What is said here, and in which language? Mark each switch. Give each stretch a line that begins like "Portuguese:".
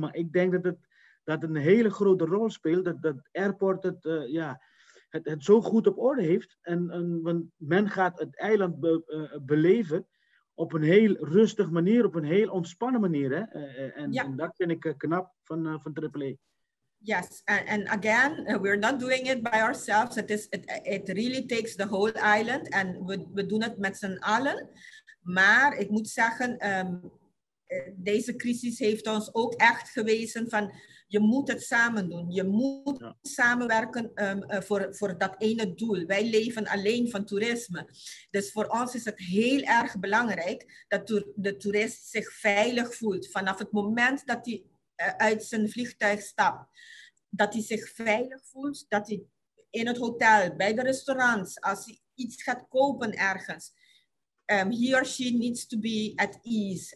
Dutch: Maar ik denk dat een hele grote rol speelt. Dat airport het zo goed op orde heeft. En men gaat het eiland beleven op een heel rustig manier. Op een heel ontspannen manier. Hè? En dat vind ik knap van AAA.
English: Yes, and again, we're not doing it by ourselves. It really takes the whole island and we doen het met z'n allen.
Dutch: Maar ik moet zeggen, deze crisis heeft ons ook echt gewezen van je moet het samen doen. Je moet samenwerken voor dat ene doel. Wij leven alleen van toerisme. Dus voor ons is het heel erg belangrijk dat de toerist zich veilig voelt vanaf het moment dat hij uit zijn vliegtuig stapt, dat hij zich veilig voelt, dat hij in het hotel, bij de restaurants, als hij iets gaat kopen ergens, he or she needs to be at ease.